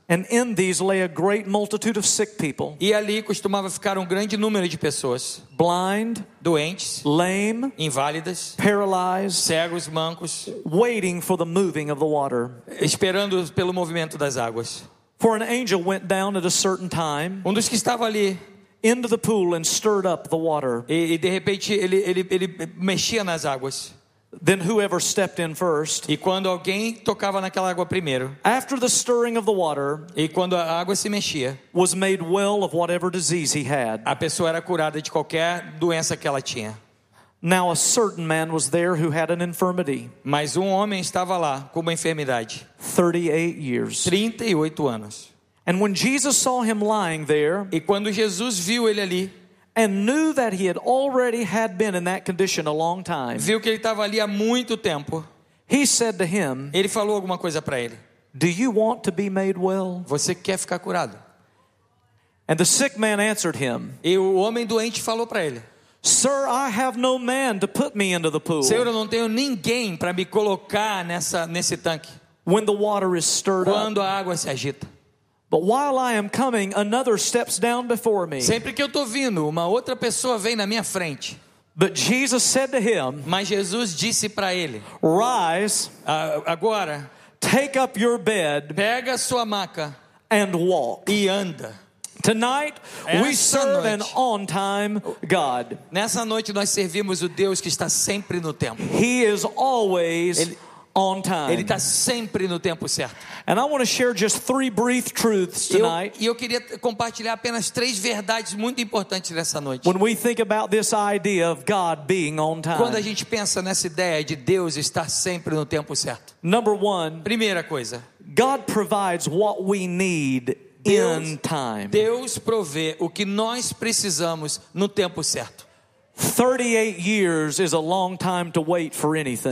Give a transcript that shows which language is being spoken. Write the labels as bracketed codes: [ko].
[en] And in these lay a great multitude of sick people. [pt] E ali costumava ficar um grande número de pessoas. [en] Blind, [pt] doentes. [en] Lame, [pt] inválidas. [en] Paralyzed, [pt] cegos, mancos. [en] Waiting for the moving of the water. [pt] Esperando pelo movimento das águas. [en] For an angel went down at a certain time. [pt] Um dos que estava ali [en] into the pool and stirred up the water. [pt] E de repente ele mexia nas águas. [en] Then whoever stepped in first. [pt] E quando alguém tocava naquela água primeiro. [en] After the stirring of the water. [pt] E quando a água se mexia. [en] Was made well of whatever disease he had. [pt] A pessoa era curada de qualquer doença que ela tinha. [en] Now a certain man was there who had an infirmity. [pt] Mas homem estava lá com uma enfermidade. [en] 38 years. [pt] 38 anos. [en] And when Jesus saw him lying there. [pt] E quando Jesus viu ele ali. [en] And knew that he had already had been in that condition a long time. [pt] Viu que ele estava ali há muito tempo. [en] He said to him. [pt] Ele falou alguma coisa para ele. [en] Do you want to be made well? [pt] Você quer ficar curado? [en] And the sick man answered him. [pt] E o homem doente falou para ele. [en] Sir, I have no man to put me into the pool. [pt] Senhor, eu não tenho ninguém para me colocar nesse tanque. [en] When the water is stirred up. [pt] Quando a água se agita. [en] But while I am coming, another steps down before me. [pt] Sempre que eu tô vindo, uma outra pessoa vem na minha frente. [en] But Jesus said to him. [pt] Mas Jesus disse para ele. [en] Rise. [pt] Agora. [en] Take up your bed. [pt] Pega sua maca. [en] And walk. [pt] E anda. [en] Tonight we serve an on-time God. [pt] Nessa noite nós servimos o Deus que está sempre no tempo. [en] He is always. On time. [pt] Ele está sempre no tempo certo. [en] And I want to share just three brief truths tonight. [pt] E eu queria compartilhar apenas três verdades muito importantes nessa noite. [en] When we think about this idea of God being on time. [pt] Quando a gente pensa nessa ideia de Deus estar sempre no tempo certo. [en] Number one. [pt] Primeira coisa. [en] God provides what we need in time. [pt] Deus provê o que nós precisamos no tempo certo. [en] 38 years is a long time to wait for anything.